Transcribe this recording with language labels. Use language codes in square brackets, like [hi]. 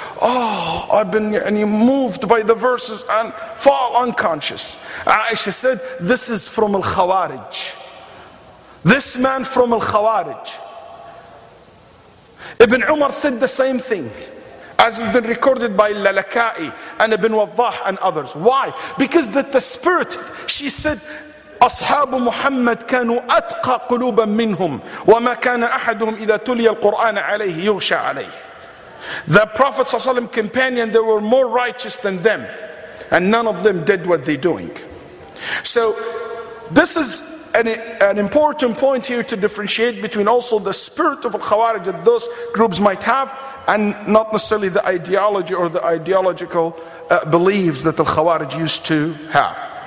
[en] Oh, I've been moved by the verses and fall unconscious. Aisha said, this is from Al-Khawarij. This man from Al-Khawarij. Ibn Umar said the same thing, as has been recorded by Lalakai and Ibn Waddah and others. Why? Because that the spirit, she said, [ar] أصحاب محمد كانوا أتقى قلوبا منهم وما كان أحدهم إذا تلي القرآن عليه يغشى عليه. [en] The Prophet ﷺ companion, they were more righteous than them, and none of them did what they're doing. So this is an important point here to differentiate between also the spirit of Al-Khawarij that those groups might have, and not necessarily the ideology or the ideological beliefs that Al-Khawarij used to have.